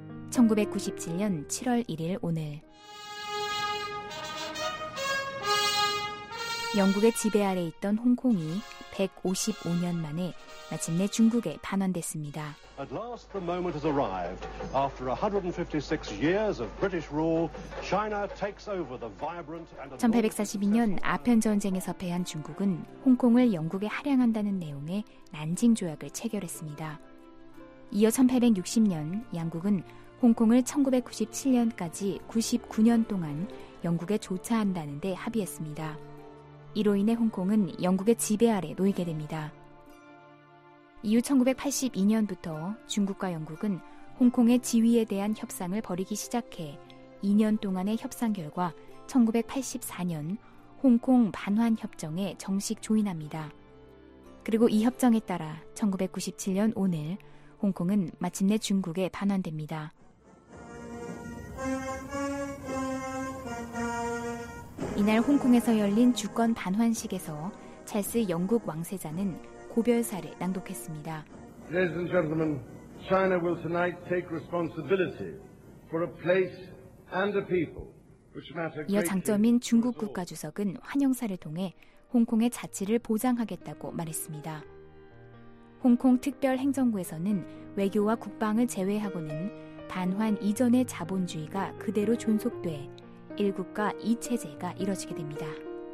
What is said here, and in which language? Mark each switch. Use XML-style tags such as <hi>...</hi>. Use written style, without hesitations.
<ko>1997년 7월 1일 오늘, 영국의 지배 아래 있던 홍콩이 155년 만에 마침내 중국에 반환됐습니다.</ko> <en>At last the moment has arrived. After 156 years of British rule, China takes over the vibrant and</en> <ko>1842년 아편 전쟁에서 패한 중국은 홍콩을 영국에 할양한다는 내용의 난징 조약을 체결했습니다. 이어 1860년 양국은 홍콩을 1997년까지 99년 동안 영국에 조차한다는 데 합의했습니다. 이로 인해 홍콩은 영국의 지배 아래 놓이게 됩니다. 이후 1982년부터 중국과 영국은 홍콩의 지위에 대한 협상을 벌이기 시작해 2년 동안의 협상 결과 1984년 홍콩 반환 협정에 정식 조인합니다. 그리고 이 협정에 따라 1997년 오늘 홍콩은 마침내 중국에 반환됩니다. 이날 홍콩에서 열린 주권 반환식에서 찰스 영국 왕세자는 고별사를 낭독했습니다.</ko> <en>Ladies and gentlemen, China will tonight take responsibility for a place and a people which matter.</en> <ko>이어 장점인 중국 국가 주석은 환영사를 통해 홍콩의 자치를 보장하겠다고 말했습니다. 홍콩 특별행정구에서는 외교와 국방을 제외하고는 반환 이전의 자본주의가 그대로 존속돼 일국가 이체제가 이뤄지게 됩니다.</ko>